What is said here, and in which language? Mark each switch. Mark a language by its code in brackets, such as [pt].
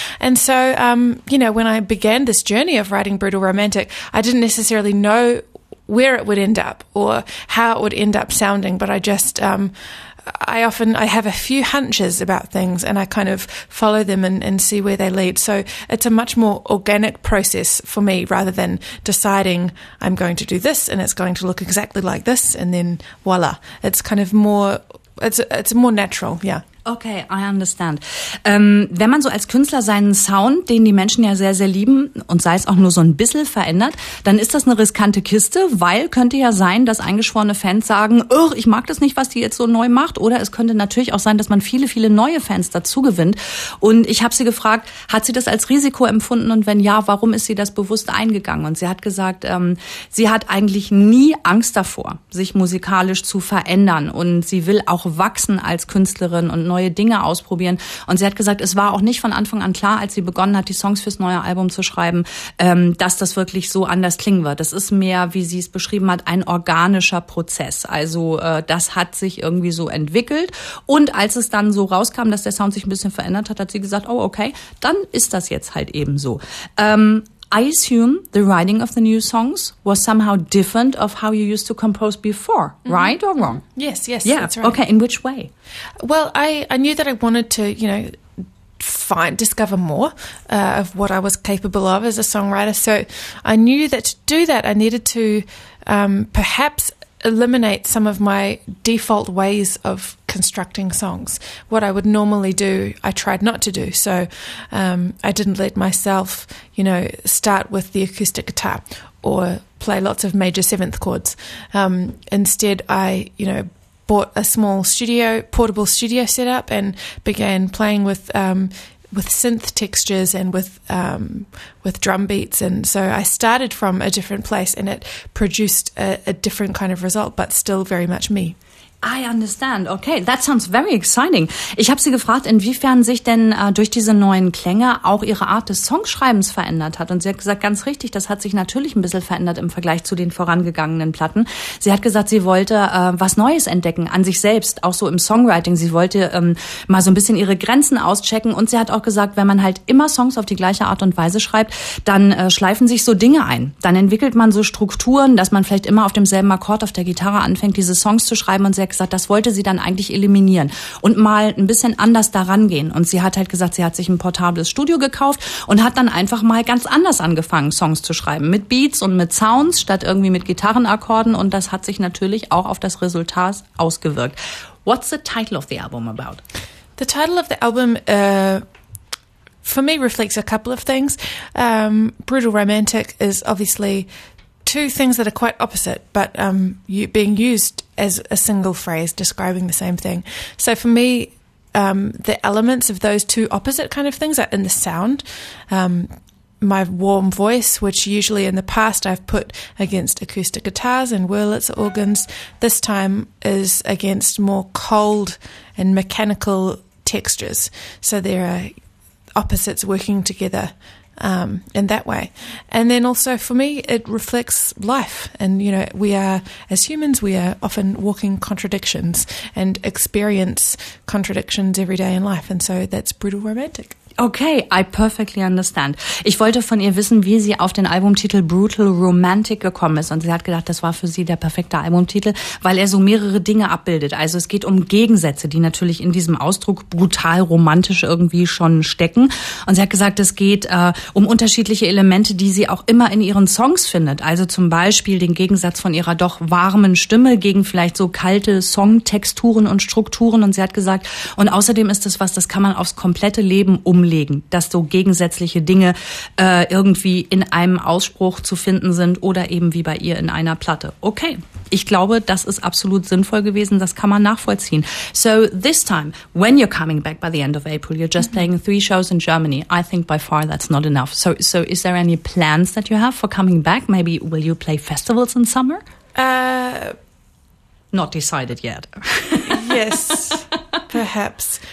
[en] And so, you know, when I began this journey of writing Brutal Romantic, I didn't necessarily know where it would end up or how it would end up sounding, but I just, I have a few hunches about things and I kind of follow them and see where they lead. So it's a much more organic process for me rather than deciding I'm going to do this and it's going to look exactly like this and then voila. It's kind of more, it's more natural, yeah. Okay, I understand. [de] Wenn man so als Künstler seinen Sound, den die Menschen ja sehr, sehr lieben, und sei es auch nur so ein bisschen verändert, dann ist das eine riskante Kiste, weil könnte ja sein, dass eingeschworene Fans sagen, oh, ich mag das nicht, was die jetzt so neu macht. Oder es könnte natürlich auch sein, dass man viele, viele neue Fans dazu gewinnt. Und ich habe sie gefragt, hat sie das als Risiko empfunden? Und wenn ja, warum ist sie das bewusst eingegangen? Und sie hat gesagt, sie hat eigentlich nie Angst davor, sich musikalisch zu verändern. Und sie will auch wachsen als Künstlerin und neue Dinge ausprobieren. Und sie hat gesagt, es war auch nicht von Anfang an klar, als sie begonnen hat, die Songs fürs neue Album zu schreiben, dass das wirklich so anders klingen wird. Das ist mehr, wie sie es beschrieben hat, ein organischer Prozess. Also das hat sich irgendwie so entwickelt. Und als es dann so rauskam, dass der Sound sich ein bisschen verändert hat, hat sie gesagt, oh okay, dann ist das jetzt halt eben so. [en] I assume the writing of the new songs was somehow different of how you used to compose before, right or wrong? Yes, yeah. That's right. Okay, in which way? Well, I knew that I wanted to, you know, discover more of what I was capable of as a songwriter. So I knew that to do that, I needed to perhaps eliminate some of my default ways of constructing songs. What I would normally do, I tried not to do. So I didn't let myself, you know, start with the acoustic guitar or play lots of major seventh chords. Instead, I, you know, bought a small studio, portable studio setup, and began playing with synth textures and with drum beats. And so I started from a different place and it produced a different kind of result, but still very much me. I understand. Okay, that sounds very exciting. [de] Ich habe sie gefragt, inwiefern sich denn durch diese neuen Klänge auch ihre Art des Songschreibens verändert hat. Und sie hat gesagt, ganz richtig, das hat sich natürlich ein bisschen verändert im Vergleich zu den vorangegangenen Platten. Sie hat gesagt, sie wollte was Neues entdecken an sich selbst, auch so im Songwriting. Sie wollte mal so ein bisschen ihre Grenzen auschecken. Und sie hat auch gesagt, wenn man halt immer Songs auf die gleiche Art und Weise schreibt, dann schleifen sich so Dinge ein. Dann entwickelt man so Strukturen, dass man vielleicht immer auf demselben Akkord auf der Gitarre anfängt, diese Songs zu schreiben. Und sie gesagt, das wollte sie dann eigentlich eliminieren und mal ein bisschen anders daran gehen. Und sie hat halt gesagt, sie hat sich ein portables Studio gekauft und hat dann einfach mal ganz anders angefangen, Songs zu schreiben. Mit Beats und mit Sounds statt irgendwie mit Gitarrenakkorden. Und das hat sich natürlich auch auf das Resultat ausgewirkt. What's the title of the album about? The title of the album for me reflects a couple of things. Brutal Romantic is obviously two things that are quite opposite, but being used as a single phrase describing the same thing. So for me, the elements of those two opposite kind of things are in the sound. My warm voice, which usually in the past I've put against acoustic guitars and Wurlitzer organs, this time is against more cold and mechanical textures. So there are opposites working together In that way. And then also for me, it reflects life. And, you know, we are, as humans, we are often walking contradictions and experience contradictions every day in life. And so that's brutal romantic. Okay, I perfectly understand. Ich wollte von ihr wissen, wie sie auf den Albumtitel Brutal Romantic gekommen ist. Und sie hat gedacht, das war für sie der perfekte Albumtitel, weil er so mehrere Dinge abbildet. Also es geht um Gegensätze, die natürlich in diesem Ausdruck brutal romantisch irgendwie schon stecken. Und sie hat gesagt, es geht um unterschiedliche Elemente, die sie auch immer in ihren Songs findet. Also zum Beispiel den Gegensatz von ihrer doch warmen Stimme gegen vielleicht so kalte Songtexturen und Strukturen. Und sie hat gesagt, und außerdem ist das was, das kann man aufs komplette Leben umlegen, dass so gegensätzliche Dinge irgendwie in einem Ausspruch zu finden sind oder eben wie bei ihr in einer Platte. Okay, ich glaube, das ist absolut sinnvoll gewesen, das kann man nachvollziehen. [en] So this time, when you're coming back by the end of April, you're just playing three shows in Germany. I think by far that's not enough. So is there any plans that you have for coming back? Maybe will you play festivals in summer? Not decided yet. Yes. Perhaps.